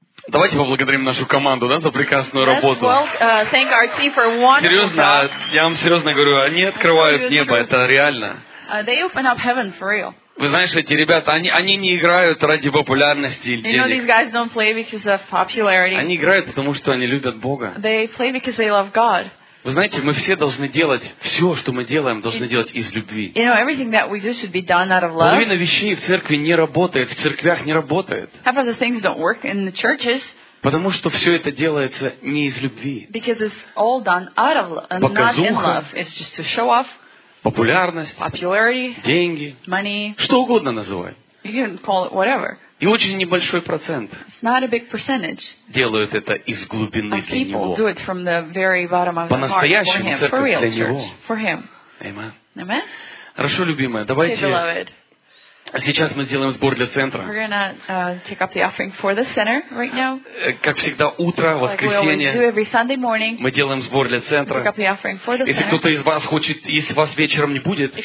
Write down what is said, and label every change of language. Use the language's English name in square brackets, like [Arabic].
[Russian] Давайте поблагодарим нашу команду, да, за прекрасную работу. Серьезно, я вам серьезно говорю, они открывают небо, это реально. [English] They open up heaven for real. [Russian] Вы знаете, эти ребята, они не играют ради популярности или денег. [English] You know, these guys don't play because of popularity. [Russian] Они играют, потому что они любят Бога. [English] They play because they love God. [Russian] Вы знаете, мы все должны делать, все, что мы делаем, должны делать из любви. [English] You know, everything that we do should be done out of love. [Russian] Половина вещей в церкви не работает, в церквях не работает. [English] Half of the things don't work in the churches. [Russian] Потому что все это делается не из любви. [English] Because it's all done out of love, not in love. It's just to show off. [Russian] Популярность, [English] popularity, [Russian] деньги, [English] money, [Russian] что угодно называй. [English] You can call it whatever. [Russian] И очень небольшой процент делают это из глубины для него. [English] People do it from the very bottom of [Russian] по-настоящему [English] heart, for [Russian] церковь [English] for [Russian] для него. [English] For him. Amen. Amen. [Russian] Хорошо, любимая, давайте [English] okay, [Russian] сейчас мы сделаем сбор для центра. [English] We're gonna, take up the offering for the center right now. [Russian] Как всегда, утро, воскресенье. [English] Like we always do every Sunday morning, [Russian] мы делаем сбор для центра. [English] Take up the offering for the [Russian] если [English] center. [Russian] Кто-то из вас хочет, если вас вечером не будет,